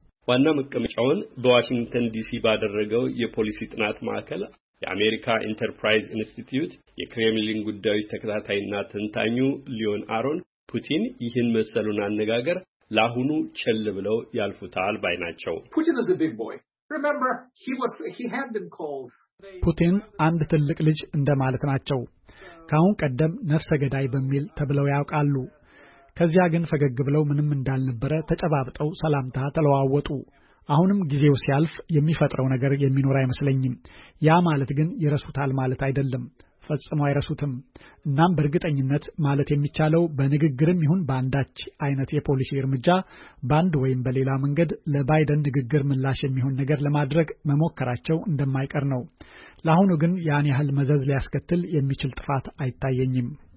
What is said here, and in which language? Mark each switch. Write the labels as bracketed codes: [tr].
[am] ዋና መቀመጫውን በዋሽንግተን ዲሲ ባደረገው የፖሊሲ ጥናት ማዕከል የአሜሪካ ኢንተርፕራይዝ ኢንስቲትዩት የክሬምሊን ጉዳዮች ተከታታይና ተንታኙ ሊዮን አሮን ፑቲን ይህን መሰሉን አነጋገር ላሁኑ ቸል ብለው ያልፉታል ባይ ናቸው። [en] ፑቲን is a big boy. Remember, he had been called. [am] ፑቲን አንድ ትልቅ ልጅ እንደማለት ናቸው። ካሁን ቀደም ነፍሰ ገዳይ በሚል ተብለው ያውቃሉ። ከዚያ ግን ፈገግ ብለው ምንም እንዳልነበረ ተጨባብጠው ሰላምታ ተለዋወጡ። አሁንም ጊዜው ሲያልፍ የሚፈጠረው ነገር የሚኖር አይመስለኝም። ያ ማለት ግን ይረሱታል ማለት አይደለም። ፈጽሞ አይረሱትም። እናም በርግጠኝነት ማለት የሚቻለው በንግግርም ይሁን ባንዳች አይነት የፖሊሲ እርምጃ ባንድ ወይም በሌላ መንገድ ለባይደን ንግግር ምላሽ የሚሆን ነገር ለማድረግ መሞከራቸው እንደማይቀር ነው። ለአሁኑ ግን ያን ያህል መዘዝ ሊያስከትል የሚችል ጥፋት አይታየኝም።